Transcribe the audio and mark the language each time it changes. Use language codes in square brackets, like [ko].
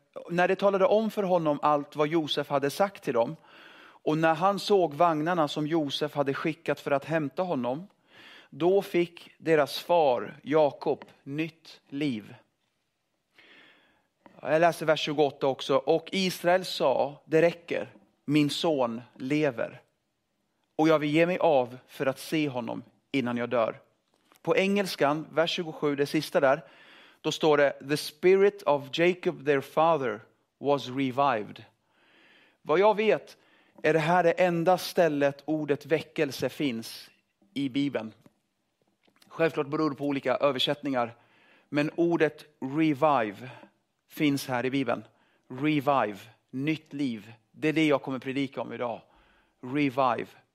[sv] När det talade om för honom allt vad Josef hade sagt till dem och när han såg vagnarna som Josef hade skickat för att hämta honom, då fick deras far Jakob nytt liv. Jag läser vers 28 också. Och Israel sa, det räcker, min son lever och jag vill ge mig av för att se honom innan jag dör. På engelskan, vers 27, det sista där. Då står det, [en] the spirit of Jacob, their father, was revived. [sv] Vad jag vet är det här det enda stället ordet väckelse finns i Bibeln. Självklart beror det på olika översättningar. Men ordet revive finns här i Bibeln. Revive, nytt liv. Det är det jag kommer predika om idag. Revive.